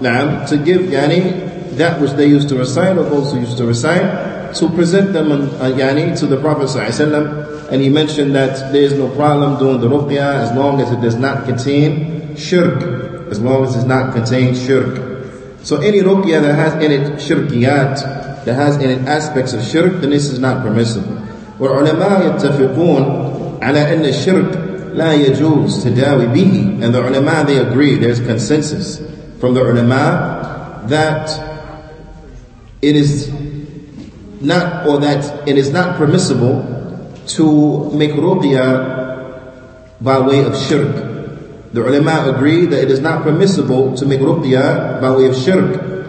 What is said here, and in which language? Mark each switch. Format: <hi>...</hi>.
<en>نعم, to give يعني that which they used to recite or also used to recite, to present them يعني to the Prophet صلى الله عليه وسلم. And he mentioned that there is no problem doing the ruqyah as long as it does not contain shirk. As long as it does not contain shirk. So any ruqyah that has in it shirkiyat, that has in it aspects of shirk, then this is not permissible.</en> <ar>والعلماء يتفقون على أن الشرك لا يجوز تداوي به.</ar> <en>And the ulama, they agree, there's consensus from the ulama that it is not, or that it is not permissible to make ruqyah by way of shirk. The ulama agree that it is not permissible to make ruqyah by way of shirk.</en>